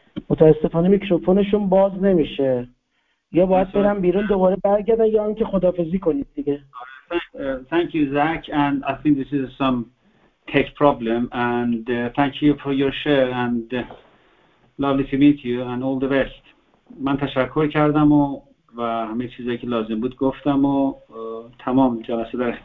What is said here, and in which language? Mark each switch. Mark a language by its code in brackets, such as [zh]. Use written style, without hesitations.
[fa] متاسفانه میکروفونشون باز نمیشه، یا باید برم بیرون دوباره برگردم یا اینکه خدافظی کنید دیگه. [en] Thank you Zach and I think this is some tech problem and thank you for your share and lovely to meet you and all the best. [fa] من تشکر کردم و همه چیزایی که لازم بود گفتم و تمام، جلسه در اختیار شماست.